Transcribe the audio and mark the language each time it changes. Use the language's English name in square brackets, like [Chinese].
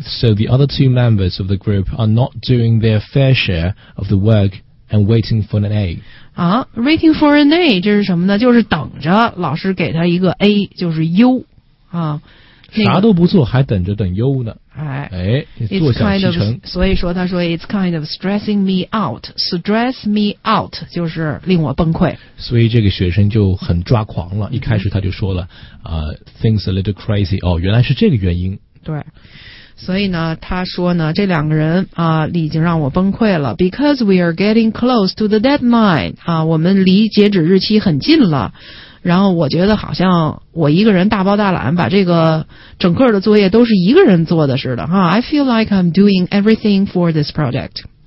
[English] So the other two members of the group are not doing their fair share of the work and waiting for an A. [Chinese] 啊 ，waiting for an A 这是什么呢？就是等着老师给他一个 A， 就是优啊。啥都不做还等着等优呢？哎哎，坐享其成。所以说他说 [English] it's kind of stressing me out. [Chinese] Stress me out 就是令我崩溃。所以这个学生就很抓狂了。一开始他就说了 [English] things a little crazy. [Chinese] 哦，原来是这个原因。对。所以呢他说呢这两个人啊已经让我崩溃了 [English] because we are getting close to the deadline [Chinese] 啊我们离截止日期很近了然后我觉得好像我一个人大包大揽把这个整个的作业都是一个人做的似的哈 [English] I feel like I'm doing everything for this project